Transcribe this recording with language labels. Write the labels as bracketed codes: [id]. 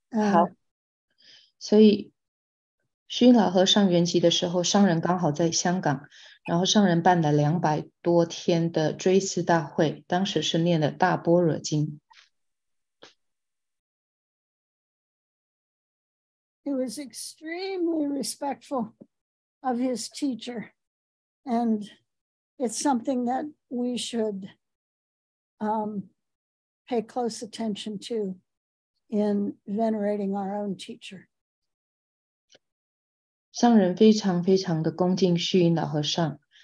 [zh] 好，所以虚云老和尚圆寂的时候，上人刚好在香港。然后上人办了200多天的追思大会，当时是念的《大般若经》。 [en] He was extremely respectful of his teacher, and it's something that we should pay close attention to in venerating our own teacher. [zh] 上人非常非常的恭敬虚云老和尚。